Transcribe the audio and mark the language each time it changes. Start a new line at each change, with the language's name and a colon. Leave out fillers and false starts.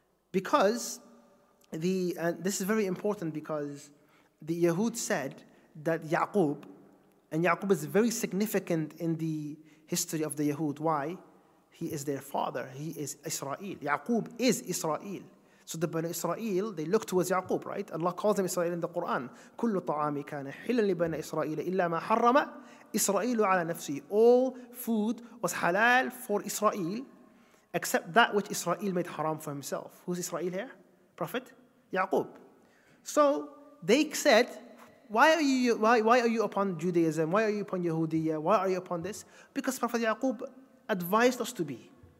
English: Because this is very important, because the Yahud said that Ya'qub, and Ya'qub is very significant in the history of the Yahud. Why? He is their father. He is Israel. Ya'qub is Israel. So the Bani Israel, they look towards Ya'qub, right? Allah calls him Israel in the Quran.
Arabic: كل طعام كان حلا لبني إسرائيل إلا ما حرم إسرائيل على نفسه.
English: All food was halal for Israel, except that which Israel made haram for himself. Who's Israel here? Prophet Ya'qub. So they said, why are you upon Judaism? Why are you upon Yahudiyah? Why are you upon this? Because Prophet Ya'qub advised us to be.